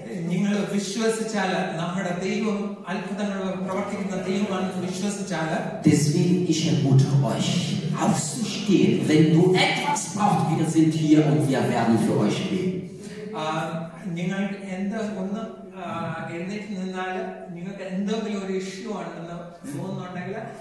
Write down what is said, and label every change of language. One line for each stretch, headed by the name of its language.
Malayalam: നിങ്ങൾ വിശ്വസിച്ചാല് നമ്മുടെ ദൈവം അത്ഭുതങ്ങൾ പ്രവർത്തിക്കുന്ന ദൈവമാണെന്ന് വിശ്വസിച്ചാല്
German: deswegen ich ermutige euch aufzustehen wenn du etwas braucht wir sind hier und wir werden für euch beten
Malayalam: നിങ്ങൾ എന്തൊന്ന് എഴുന്നേറ്റ് നിന്നാൽ നിങ്ങൾക്ക് എന്തെങ്കിലും ഒരു ഇഷ്യൂ ആണെന്ന് തോന്നുന്നുണ്ടെങ്കിൽ